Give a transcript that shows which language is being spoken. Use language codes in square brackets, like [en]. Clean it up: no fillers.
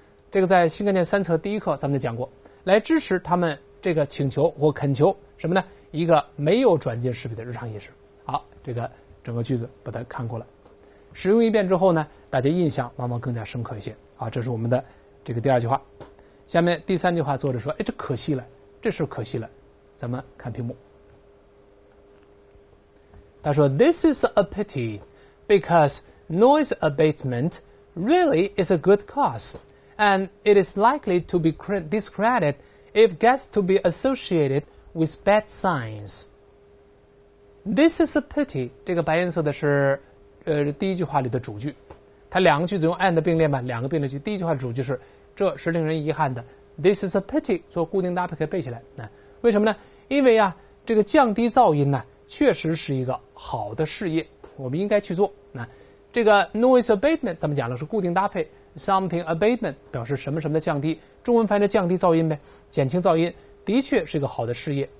[zh] 这个在新概念三册第一课咱们就讲过，来支持他们这个请求或恳求什么呢？一个没有转基因食品的日常饮食。好，这个整个句子把它看过了，使用一遍之后呢，大家印象往往更加深刻一些。啊，这是我们的。这个第二句话，下面第三句话，作者说：“哎，这可惜了，这事可惜了。” 咱们看屏幕，他说 [en] ：“This is a pity, because noise abatement really is a good cause, and it is likely to be discredited if gets to be associated with bad signs. This is a pity。” [zh] 这个白颜色的是，第一句话里的主句，它两个句子用 and 并列嘛，两个并列句。第一句话的主句是。这是令人遗憾的 [en] This is a pity [zh] 做固定搭配可以背起来、为什么呢？因为啊，这个降低噪音呢确实是一个好的事业，我们应该去做、这个 noise abatement 咱们讲的是固定搭配 something abatement 表示什么什么的降低，中文翻译的降低噪音呗，减轻噪音的确是一个好的事业。